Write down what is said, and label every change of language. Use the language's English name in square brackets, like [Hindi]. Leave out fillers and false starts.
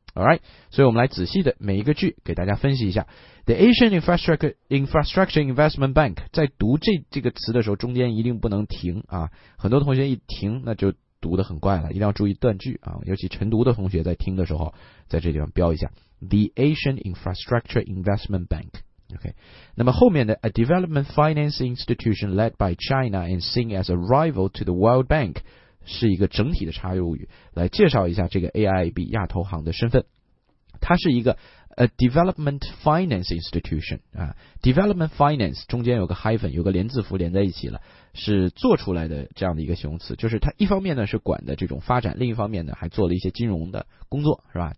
[Chinese] Alright， 所以我们来仔细的每一个句给大家分析一下。The Asian Infrastructure Investment Bank 在读这个词的时候，中间一定不能停啊！很多同学一停，那就读得很怪了，一定要注意断句啊！尤其晨读的同学在听的时候，在这地方标一下 The Asian Infrastructure Investment Bank。 [English] OK， [Chinese] 那么后面的 [English] A Development Finance Institution led by China and seen as a rival to the World Bank。 [Chinese] 是一个整体的插入语，来介绍一下这个 AIIB 亚投行的身份。它是一个 a development finance institution 啊 ，development finance 中间有个 hyphen， 有个连字符连在一起了，是做出来的这样的一个形容词。就是它一方面呢是管的这种发展，另一方面呢还做了一些金融的工作，是吧？